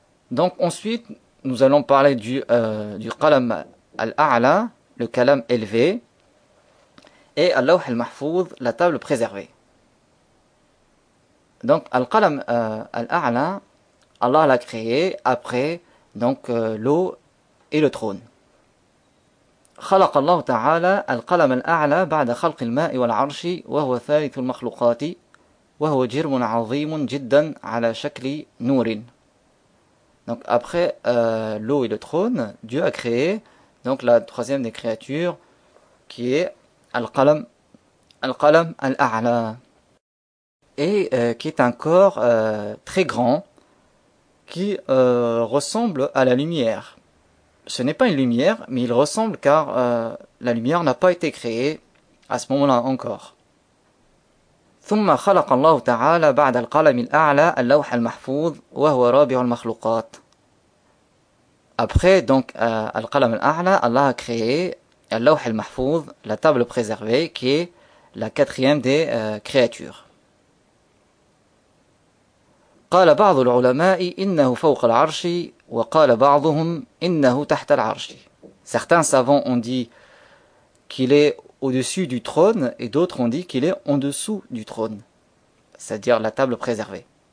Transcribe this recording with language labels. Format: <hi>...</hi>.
<fr>Donc ensuite, nous allons parler du qalam al-a'la, le kalam élevé, et al-lawh al-mahfouz, la table préservée. Donc al-qalam al-a'la, Allah l'a créé après l'eau et le trône.</fr> <ar>خلق الله تعالى القلم الأعلى بعد خلق الماء والعرش وهو ثالث المخلوقات وهو جرم عظيم جدا على شكل نور.</ar> <fr>Donc après l'eau et le trône, Dieu a créé donc la troisième des créatures qui est al-qalam Al-Qalam al-A'la. Et qui est un corps très grand qui ressemble à la lumière. Ce n'est pas une lumière, mais il ressemble car la lumière n'a pas été créée à ce moment-là encore.</fr> <ar>ثم خلق الله تعالى بعد القلم الأعلى اللوح المحفوظ وهو رابع المخلوقات.</ar> <fr>Après donc القلم الأعلى, Allah a créé اللوح المحفوظ, la table préservée, qui est la quatrième des créatures.</fr> <ar>قال بعض العلماء إنه فوق العرش وقال بعضهم إنه تحت العرش.</ar> <fr>Certains savants ont dit qu'il est au-dessus du trône, et d'autres ont dit qu'il est en dessous du trône, c'est-à-dire la table préservée.</fr>